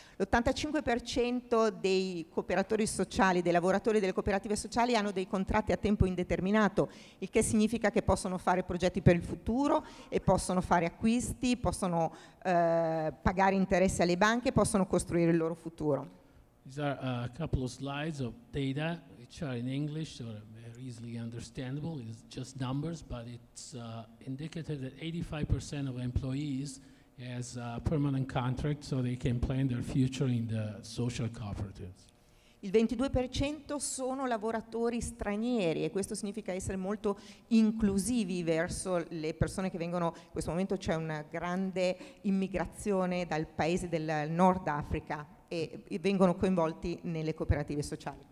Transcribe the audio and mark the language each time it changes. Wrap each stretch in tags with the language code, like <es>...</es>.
<it>L'85% dei cooperatori sociali, dei lavoratori delle cooperative sociali hanno dei contratti a tempo indeterminato, il che significa che possono fare progetti per il futuro e possono fare acquisti, possono pagare interessi alle banche, possono costruire il loro futuro.</it> <en>These are a couple of slides of data which are in English, so very easily understandable. It's just numbers, but it's indicative that 85% of employees has a permanent contract so they can plan their future in the social cooperatives.</en> <it>Il 22% sono lavoratori stranieri e questo significa essere molto inclusivi verso le persone che vengono. In questo momento c'è una grande immigrazione dal paese del Nord Africa e vengono coinvolti nelle cooperative sociali.</it>